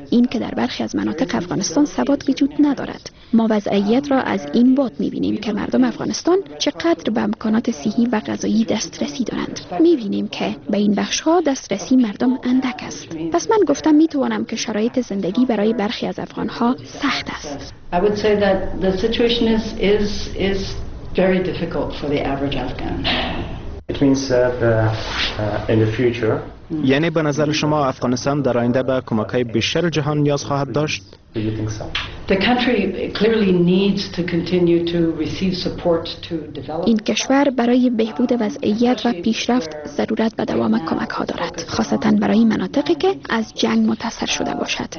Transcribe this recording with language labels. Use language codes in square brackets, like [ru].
[fa] این که در برخی از مناطق افغانستان ثبات وجود ندارد. ما وضعیت را از این بعد می‌بینیم که مردم افغانستان چقدر به امکانات صحی و غذایی دسترسی دارند. می‌بینیم که به این بخش‌ها دسترسی مردم اندک است. پس من گفتم می‌توانم که شرایط زندگی برای برخی از افغان‌ها سخت است. [en] I would say that the situation is very difficult for the average Afghan. It means that in the future. [fa] یعنی به نظر شما افغانستان در آینده به کمک‌های بیشتر جهان نیاز خواهد داشت؟ [en] The country clearly needs to continue to receive support to develop. [fa] این کشور برای بهبود وضعیت و پیشرفت ضرورت به دوام کمک‌ها دارد، خاصتاً برای مناطقی که از جنگ متاثر شده باشد.